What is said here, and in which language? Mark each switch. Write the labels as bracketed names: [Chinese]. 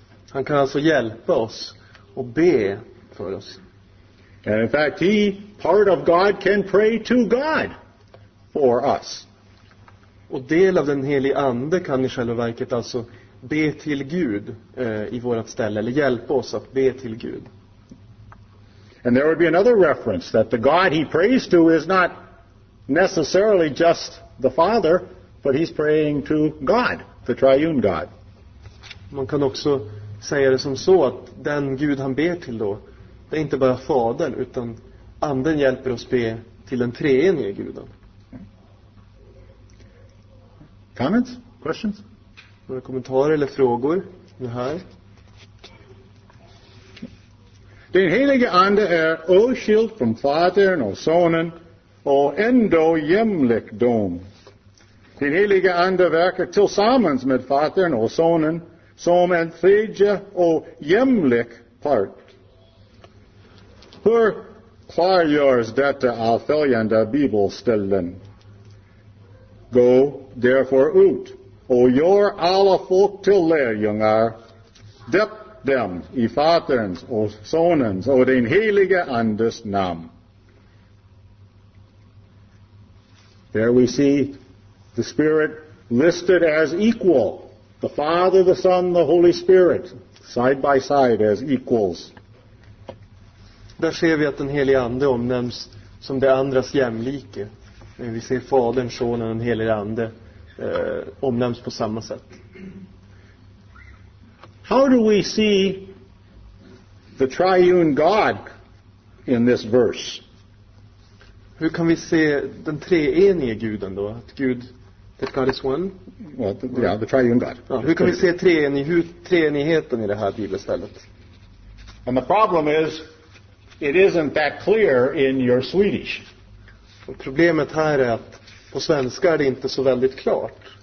[Swedish] Han kan alltså hjälpa oss och be för oss. [English] And in fact he, part of God, can pray to God for us. [Swedish] Och del av den helige ande kan i själva verket alltså be till Gud i vårat ställe, eller hjälpa oss att be till Gud. [English] And there would be another reference that the God he prays to is not necessarily just the Father, but he's praying to God, the triune God. [Swedish] Man kan också säga det som så att den Gud han ber till då, det är inte bara Fadern, utan anden hjälper oss be till den treenige Guden. [English] Comments? Questions? [Swedish] Några kommentarer eller frågor? Det här. Den helige ande är oskild från fadern och sonen och ändå jämlikdom. Den helige ande verkar tillsammans med fadern och sonen som en tredje och jämlik part. Hur klargörs detta av följande bibelställen? Gå [English] therefore [Swedish] ut, och gör alla folk till lärjungar, döp dem i faderns och sonens och den helige andes namn. [English] There we see the Spirit listed as equal, the Father, the Son, the Holy Spirit, side by side as equals. [Swedish] Där ser vi att den helige ande omnämns som det andras jämlike. Vi ser Fadern, Sonen och den helige ande omnämns på samma sätt. [English] How do we see the triune God in this verse? [Swedish] Hur kan vi se den treenige guden då? Att Gud, [English] that God is one? Well, the triune God. [Swedish] Ja, hur kan vi se treenigheten i det här bibelstället? [English] And the problem is, it isn't that clear in your Swedish. [Swedish] Och problemet här är att på svenska är det inte så väldigt klart.